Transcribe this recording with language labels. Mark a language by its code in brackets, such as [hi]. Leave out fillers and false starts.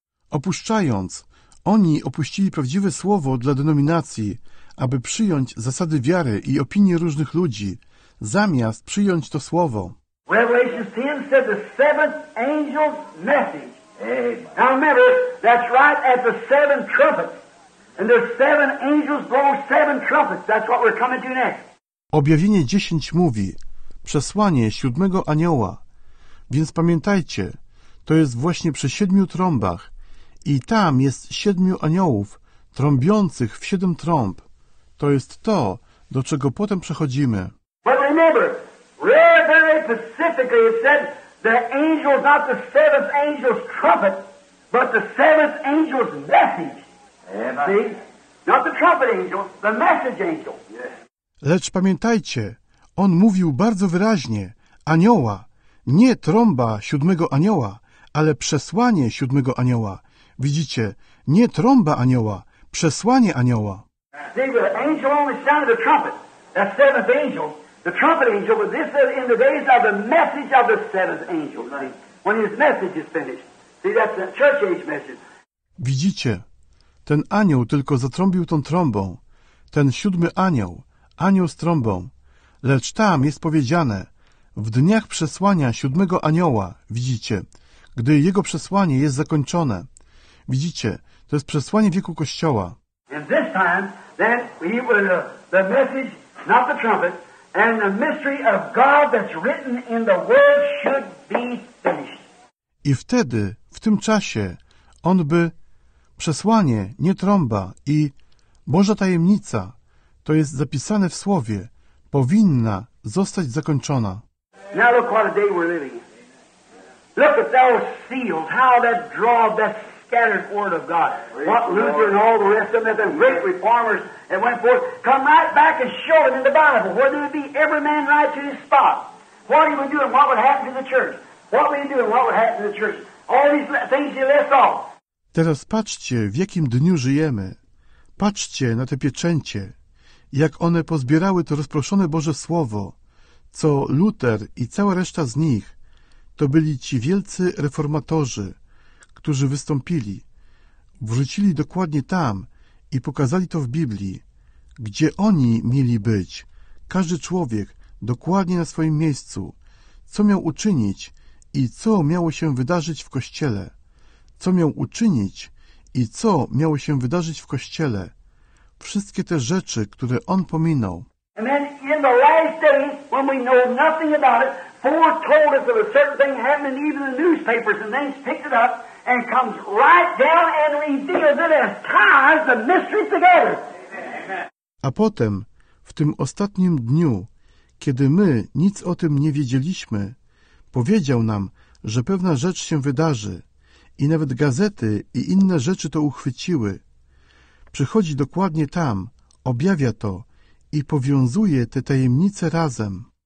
[pl] Opuszczając, oni opuścili prawdziwe słowo dla denominacji, aby przyjąć zasady wiary i opinie różnych ludzi, zamiast przyjąć to słowo. [en] Revelation 10 said the seventh angel's message. Now remember, that's right at the seven trumpets. And the seven angels blow seven trumpets. That's what we're coming to next. [pl] Objawienie 10 mówi, przesłanie siódmego anioła. Więc pamiętajcie, to jest właśnie przy siedmiu trąbach. I tam jest siedmiu aniołów trąbiących w siedem trąb. To jest to, do czego potem przechodzimy. [en] But remember, very specifically it said the angel is not the seventh angel's trumpet, but the seventh angel's message. See? Not the trumpet angel, the message angel. Yes. [pl] Lecz pamiętajcie, on mówił bardzo wyraźnie, anioła, nie trąba siódmego anioła, ale przesłanie siódmego anioła. Widzicie, nie trąba anioła, przesłanie anioła. [en] See, the angel only sounded the trumpet, the seventh angel. The trumpet angel, but this is in the days of the message of the seventh angel. See, when his message is finished. See, that's the church age message. [pl] Widzicie, ten anioł tylko zatrąbił tą trąbą. Ten siódmy anioł, anioł z trąbą. Lecz tam jest powiedziane, w dniach przesłania siódmego anioła, widzicie, gdy jego przesłanie jest zakończone. Widzicie, to jest przesłanie wieku Kościoła. [en] And this time, then, he will, the message, not the trumpet, and the mystery of God that's written in the word should be finished. [pl] I wtedy, w tym czasie, on by, przesłanie, nie trąba, i Boża tajemnica, to jest zapisane w Słowie, powinna zostać zakończona. [en] Now look what a day we're living in. Look at those seals, how that draws that scattered word of God. What Luther and all the rest of them, the great reformers that went forth, come right back and show them in the Bible, whether it be every man right to his spot. What he would do and what would happen to the church. What would he do and what would happen to the church. All these things he left off. [pl] Teraz patrzcie, w jakim dniu żyjemy. Patrzcie na te pieczęcie. Jak one pozbierały to rozproszone Boże Słowo, co Luther i cała reszta z nich, to byli ci wielcy reformatorzy, którzy wystąpili, wrzucili dokładnie tam i pokazali to w Biblii, gdzie oni mieli być, każdy człowiek dokładnie na swoim miejscu, co miał uczynić i co miało się wydarzyć w Kościele, co miał uczynić i co miało się wydarzyć w Kościele, wszystkie te rzeczy, które on pominął. [en] And then in the last day, when we know nothing about it, foretold us of a certain thing happening even in the newspapers, and then he's picked it up and comes right down and reveals it as ties the mystery together. [pl] A potem, w tym ostatnim dniu, kiedy my nic o tym nie wiedzieliśmy, powiedział nam, że pewna rzecz się wydarzy. I nawet gazety i inne rzeczy to uchwyciły. Przychodzi dokładnie tam, objawia to i powiązuje te tajemnice razem.